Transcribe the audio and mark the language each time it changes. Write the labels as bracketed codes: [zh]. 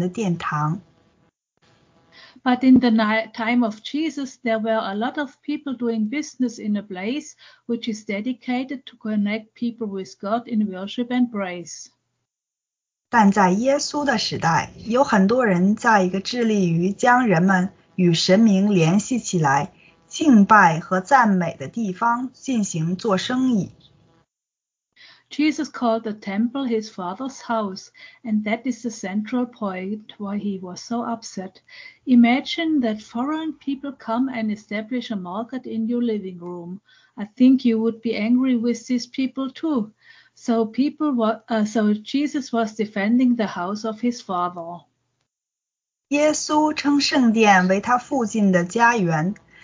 [zh] 耶稣的确很沮丧，因为他知道圣殿的用途，圣殿应该是敬拜和赞美神的殿堂。But [en] in the time of Jesus, there were a lot of people doing business in a place which is dedicated to connect people with God in worship and praise. [zh] 但在耶稣的时代，有很多人在一个致力于将人们与神明联系起来。 [en] Jesus called the temple his father's house, and that is the central point why he was so upset. Imagine that foreign people come and establish a market in your living room. I think you would be angry with these people too. So Jesus was defending the house of his father. [zh] 耶稣称圣殿为他父亲的家园。